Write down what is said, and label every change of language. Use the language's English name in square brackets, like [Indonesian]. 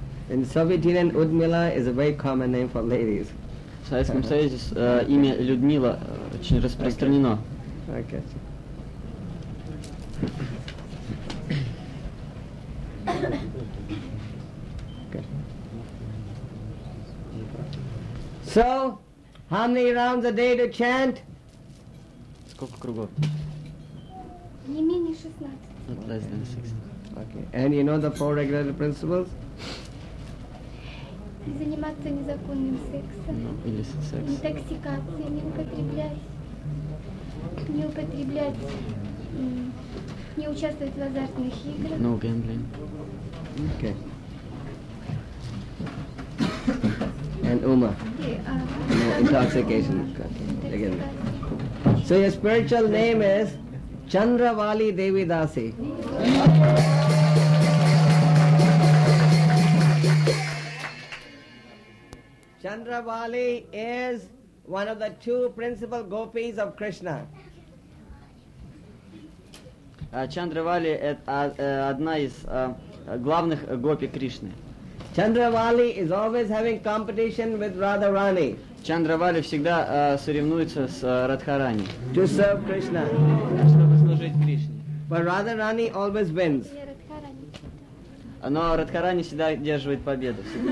[English] In Soviet Union, Udmila is a very common name for ladies. [Russian] В Советском Союзе имя Людмила очень распространено. [English] Okay. So, how many rounds a day to chant? [Russian] Сколько кругов? Не менее 16. [English] Not less than 16. Okay. And you know the four regulated principles? [Russian] Не заниматься незаконным сексом. [English] No, illicit sex. [Russian] Интоксикацией, не употреблять, не участвовать в азартных играх. [English] No gambling. Okay. And Uma. Yeah, no, intoxication. Again. So your spiritual name is Chandravali Devi Dasi. Chandravali is one of the two principal gopis of Krishna. Chandravali is one of the main gopis of Krishna. Chandravali is always having competition with Radharani. [Russian] Chandravali всегда соревнуется с Radharani. [English] To serve Krishna. [Russian] Чтобы служить Кришне. [English] But Radharani always wins. [Russian] Но Radharani всегда одерживает победу.